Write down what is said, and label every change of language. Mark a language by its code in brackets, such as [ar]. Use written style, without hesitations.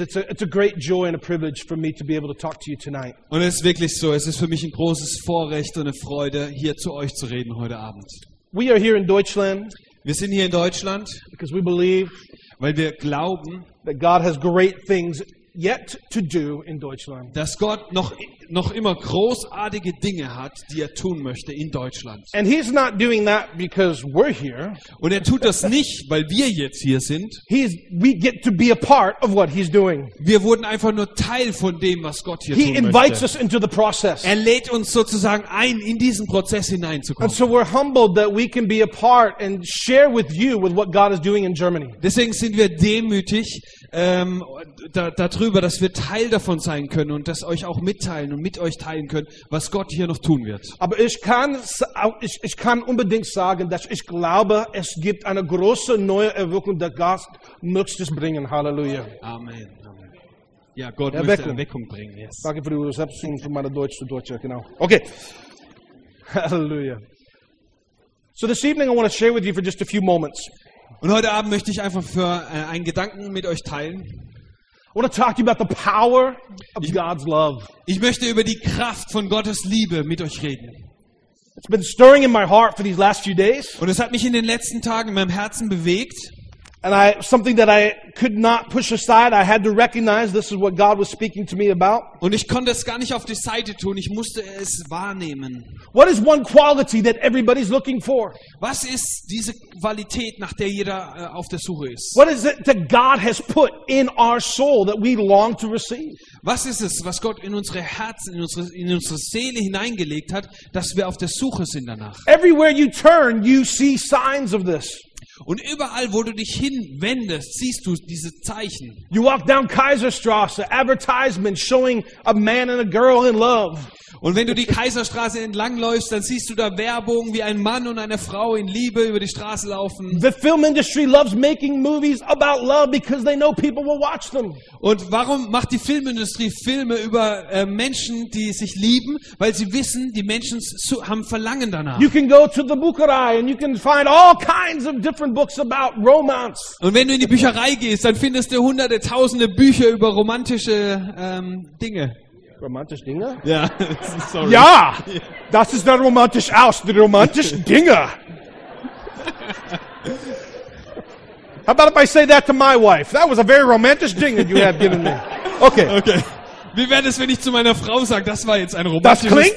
[en] It's a great joy and a privilege for me to be able to talk to you tonight. [de] Und es ist wirklich so. Es ist für mich ein großes Vorrecht und eine Freude, hier zu euch zu reden heute Abend. [en] We are here in Deutschland. [de] Wir sind hier in Deutschland. [en] Because we believe. [de] Weil wir glauben. [en] That God has great things yet to do in Deutschland. [de] Dass Gott noch immer großartige Dinge hat, die er tun möchte in Deutschland. [en] And he's not doing that because we're here. [de] Und er tut das nicht, weil wir jetzt hier sind. [en] We get to be a part of what he's doing. [de] Wir wurden einfach nur Teil von dem, was Gott hier [en] he [de] tun [en] invites [de] möchte. [en] Us into the process. [de] Er lädt uns sozusagen ein, in diesen Prozess hineinzukommen. [en] And so we're humbled that we can be a part and share with you with what God is doing in Germany. [de] Deswegen sind wir demütig darüber, dass wir Teil davon sein können und das euch auch mitteilen und mit euch teilen können, was Gott hier noch tun wird. Aber ich kann unbedingt sagen, dass ich glaube, es gibt eine große neue Erweckung, der Geist möchte es bringen. Halleluja. Amen. Ja, Gott Erweckung. Möchte Erweckung bringen. Yes. Danke für die Übersetzung von meiner Deutsch zu Deutscher, genau. Okay. Halleluja. [en] So this evening I want to share with you for just a few moments. [de] Und heute Abend möchte ich einfach für einen Gedanken mit euch teilen. [en] I want to talk to you about the power of God's love. [de] Ich möchte über die Kraft von Gottes Liebe mit euch reden. [en] It's been stirring in my heart for these last few days. [de] Und es hat mich in den letzten Tagen in meinem Herzen bewegt. [en] And something that I could not push aside. I had to recognize this is what God was speaking to me about. [de] Und ich konnte es gar nicht auf die Seite tun. Ich musste es wahrnehmen. [en] What is one quality that everybody's looking for? [de] Was ist diese Qualität, nach der jeder auf der Suche ist? [en] What is it that God has put in our soul that we long to receive? [de] Was ist es, was Gott in unsere Herzen, in unsere Seele hineingelegt hat, dass wir auf der Suche sind danach? [en] Everywhere you turn, you see signs of this. [de] Und überall, wo du dich hinwendest, siehst du diese Zeichen. [en] You walk down Kaiserstraße, advertisement showing a man and a girl in love. [de] Und wenn du die Kaiserstraße entlangläufst, dann siehst du da Werbung, wie ein Mann und eine Frau in Liebe über die Straße laufen. [en] The film industry loves making movies about love because they know people will watch them. [de] Und warum macht die Filmindustrie Filme über Menschen, die sich lieben? Weil sie wissen, die Menschen haben Verlangen danach. [en] You can go to the Bucherei and you can find all kinds of different books about romance. [de] Und wenn du in die Bücherei gehst, dann findest du hunderte, tausende Bücher über romantische Dinge. Romantische Dinge? Ja, sorry. Ja, das ist nicht romantisch aus, die romantischen Dinge. [en] How about if I say that to my wife? That was a very romantic thing that you have given me. Okay. Okay. [de] Wie wäre es, wenn ich zu meiner Frau sage, das war jetzt ein romantisches Ding?